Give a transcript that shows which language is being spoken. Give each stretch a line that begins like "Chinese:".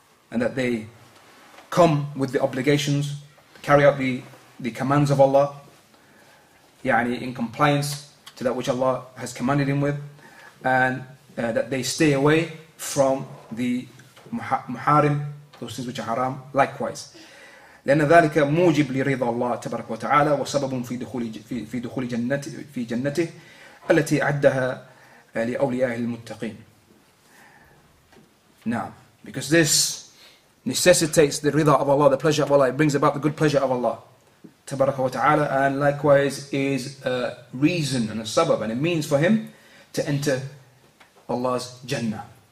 English: And that they come with the obligations, carry out the commands of Allah, يعني in compliance to that which Allah has commanded him with, and that they stay away from the muharim, those things which are haram, likewise.
Arabic: لأن ذلك موجب لرضا الله تبارك وتعالى وسبب في دخول في دخول جنته في جنته التي أعدها لأوليائه المتقين.
English: Now, because this necessitates the rida of Allah, the pleasure of Allah, it brings about the good pleasure of Allah, tabaraka wa ta'ala, and likewise is a reason and a sabab and a means for him to enter Allah's Jannah.